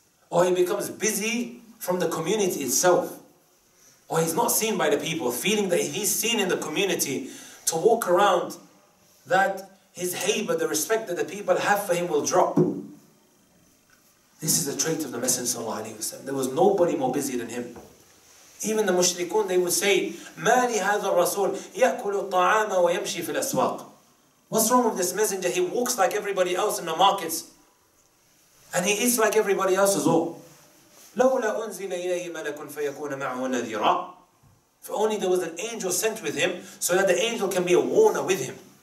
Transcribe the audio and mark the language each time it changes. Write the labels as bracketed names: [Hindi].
[English] Or he becomes busy from the community itself. Or he's not seen by the people, feeling that he's seen in the community to walk around, that his haybah, the respect that the people have for him, will drop. This is the trait of the Messenger sallallahu alayhi wa sallam. There was nobody more busy than him. Even the mushrikun, they would say, [Arabic] مَا لِهَذَا الرَّسُولِ يَأْكُلُ الطَّعَامَ وَيَمْشِي فِي الْأَسْوَاقِ. [English] What's wrong with this messenger? He walks like everybody else in the markets. And he eats like everybody else as well. [Arabic] لَوْلَا أُنزِلَ إِلَيْهِ مَلَكٌ فَيَكُونَ مَعْهُ نَذِيرًا. [English] If only there was an angel sent with him, so that the angel can be a warner with him.